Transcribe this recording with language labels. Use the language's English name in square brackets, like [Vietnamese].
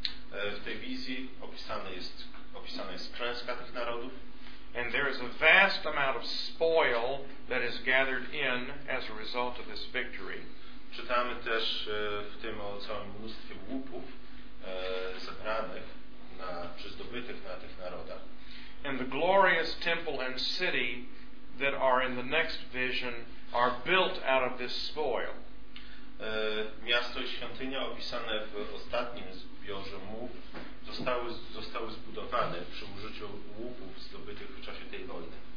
[Polish] W tej wizji opisana jest klęska tych narodów. [English] And there is a vast amount of spoil that is gathered in as a result of this victory. [Polish] Czytamy też w tym o całym mnóstwie łupów zebranych czy zdobytych na tych narodach. [English] And the glorious temple and city that are in the next vision are built out of this spoil. [Polish] Miasto i świątynia opisane w ostatnim zbiorze mów zostały zbudowane przy użyciu łupów zdobytych w czasie tej wojny.